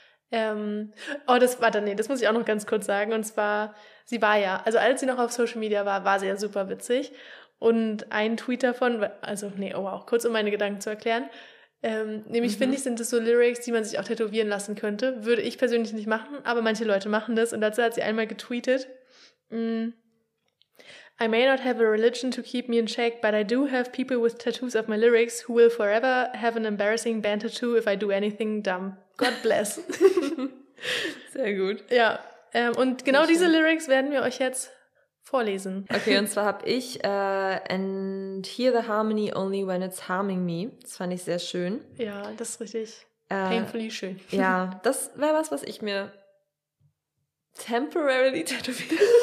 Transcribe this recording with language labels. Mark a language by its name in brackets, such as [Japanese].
[German] Das muss ich auch noch ganz kurz sagen. Und zwar, sie war ja, also als sie noch auf Social Media war, war sie ja super witzig. Und ein Tweet davon, kurz um meine Gedanken zu erklären. Nämlich finde ich, sind das so Lyrics, die man sich auch tätowieren lassen könnte. Würde ich persönlich nicht machen, aber manche Leute machen das. Und dazu hat sie einmal getweetet, [English] I may not have a religion to keep me in check, but I do have people with tattoos of my lyrics who will forever have an embarrassing band tattoo if I do anything dumb. God bless. [German] Sehr gut. Ja, und genau diese Lyrics werden wir euch jetzt vorlesen. Okay, und zwar habe ich [English] And hear the harmony only when it's harming me. [German] Das fand ich sehr schön. Ja, das ist richtig. Painfully schön. Ja, das wäre was ich mir temporarily tätowiert.